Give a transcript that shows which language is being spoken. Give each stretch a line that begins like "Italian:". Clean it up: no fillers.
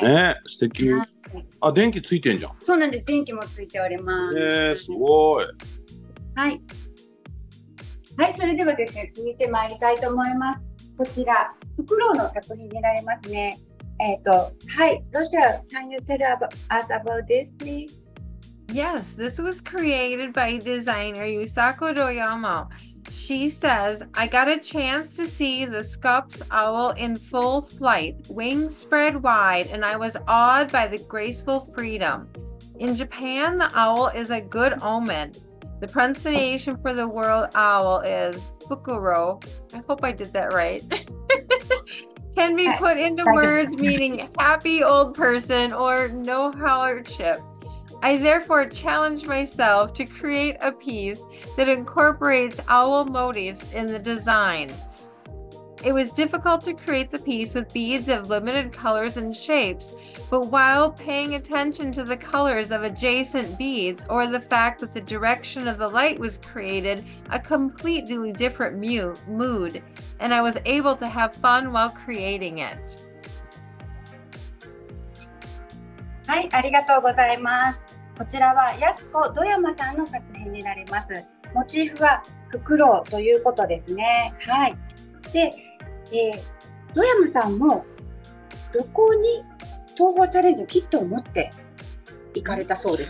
Japanese: ね、素敵。あ、電気ついてんじゃん。そうなんです、電気もついております。すごい。はいはい、それではですね、続いてまいりたいと思います。こちらフクロウの作品になりますね。
English: はい、ロシア、can you tell us about this please? Yes, this was created by designer Yusako Doyama. She says, I got a chance to see the Scops owl in full flight, wings spread wide, and I was awed by the graceful freedom. In Japan, the owl is a good omen. The pronunciation for the world owl is Fukuro. I hope I did that right. Can be put into words meaning happy old person or no hardship. I therefore challenge myself to create a piece that incorporates owl motifs in the design. It was difficult to create the piece with beads of limited colors and shapes, but while paying attention to the colors of adjacent beads or the fact that the direction of the light was created a completely different mood, and I was able to have fun while creating it.
Japanese: はい、ありがとうございます。こちらはやすこどやまさんの作品になります。モチーフはフクロウということですね。はい。で、どやまさんも旅行に東方チャレンジのキットを持って行かれたそうです。